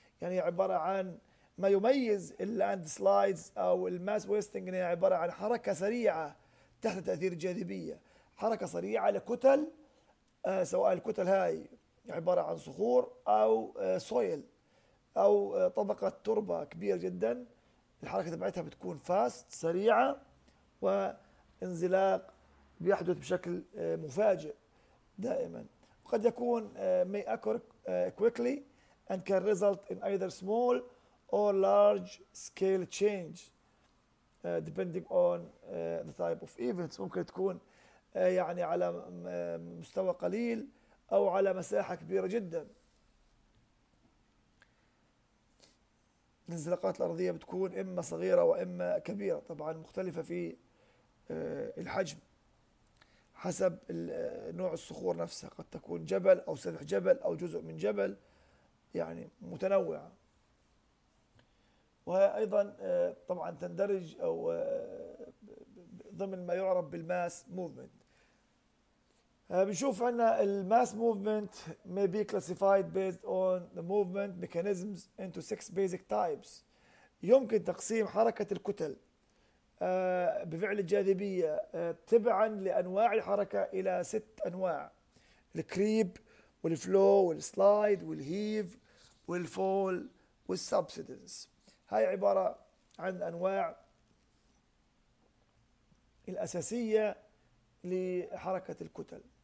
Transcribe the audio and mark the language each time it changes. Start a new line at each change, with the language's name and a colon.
Arabic: يعني هي عباره عن ما يميز اللاند سلايدز او الماس ويستنج هي عباره عن حركه سريعه تحت تاثير الجاذبيه، حركه سريعه لكتل سواء الكتل هاي عباره عن صخور او سويل او طبقه تربه كبيره جدا، الحركه تبعتها بتكون فاست سريعه وانزلاق بيحدث بشكل مفاجئ دائما. وقد يكون
English: may occur quickly and can result in either small or large scale change depending on the type of events.
Arabic: ممكن تكون يعني على مستوى قليل او على مساحة كبيرة جدا. الانزلاقات الارضية بتكون اما صغيرة واما كبيرة، طبعا مختلفة في الحجم حسب نوع الصخور نفسها، قد تكون جبل او سطح جبل او جزء من جبل، يعني متنوعة. وهي ايضا طبعا تندرج او ضمن ما يعرف بالماس موفمنت. بنشوف عندنا الماس موفمنت
English: may be classified based on the movement mechanisms into six basic types.
Arabic: يمكن تقسيم حركه الكتل بفعل الجاذبيه تبعا لانواع الحركه الى ست انواع: الكريب والفلو والسلايد والهيف والفول والسبسيدنس. هاي عبارة عن أنواع الأساسية لحركة الكتل.